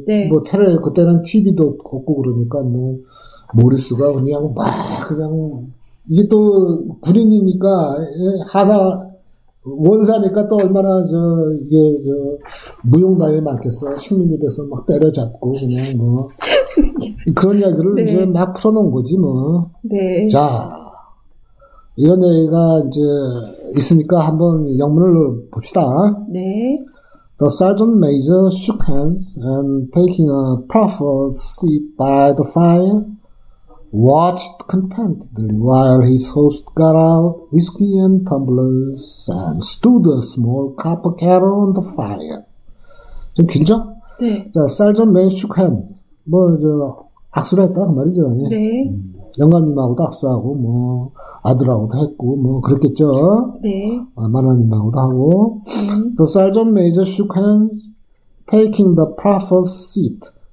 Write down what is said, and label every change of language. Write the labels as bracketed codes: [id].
[ko] 뭐 테레 그때는 TV도 없고 그러니까 뭐 모리스가 그냥 막 그냥 이게 또 군인이니까 하사 원사니까 또 얼마나 저 이게 저 무용담이 많겠어. 식민지에서 막 때려잡고 그냥 뭐 그런 이야기를 이제 막 풀어놓은 거지 뭐. 자, 이런 얘기가 이제 있으니까 한번 영문을 봅시다. [en] The sergeant major shook hands and, taking a proffered seat by the fire, watched contentedly while his host got out whiskey and tumblers and stood a small copper kettle on the fire. [ko] 좀 길죠? 자, [en] sergeant major shook hands. [ko] 뭐, 저, 악수를 했다, 그 말이죠. 영감님하고도 악수하고, 뭐, 아들하고도 했고, 뭐, 그랬겠죠. 마나님하고도 하고. [en] The sergeant major shook hands, taking the proffered seat.